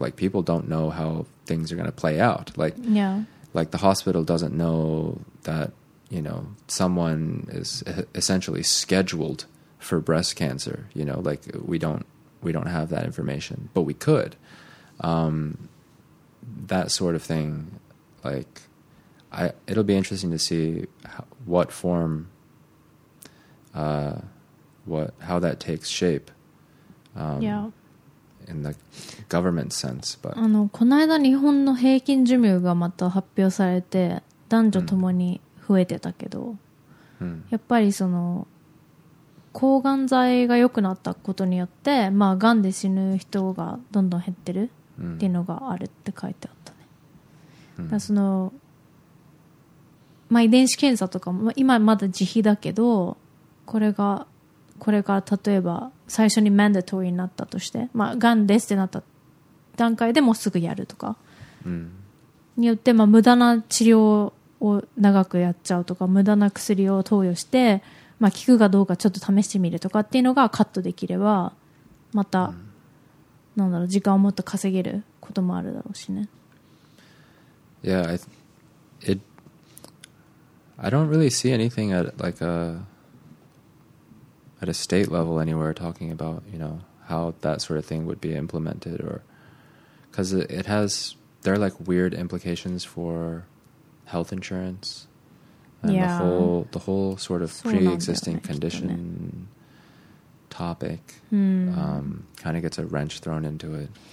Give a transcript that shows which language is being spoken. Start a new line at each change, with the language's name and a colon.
English: Like, people don't know how things are going to play out. Like, the hospital doesn't know that,you know, someone is essentially scheduled for breast cancer, you know, like we don't have that information, but we could. That sort of thing, like, it'll be interesting to see how that takes shape. In the government sense, but...
Japanese: あの、この間日本の平均寿命がまた発表されて、男女ともに、増えてたけど、やっぱりその抗がん剤が良くなったことによって、まあ、がんで死ぬ人がどんどん減ってるっていうのがあるって書いてあったね。だからその、遺伝子検査とかも今まだ自費だけど、これが例えば最初にマンダトリーになったとして、まあ、がんですってなった段階でもすぐやるとかによって、無駄な治療を長くやっちゃうとか無駄な薬を投与して、まあ、効くかどうかちょっと試してみるとかっていうのがカットできればまた、なんだろう、時間をもっと稼げることもあるだろうしね。
English: Yeah, I don't really see anything at like at a state level anywhere talking about, you know, how that sort of thing would be implemented or because it has, there are like weird implications forfor health insurance and the whole sort of pre-existing condition topic kind of gets a wrench thrown into it.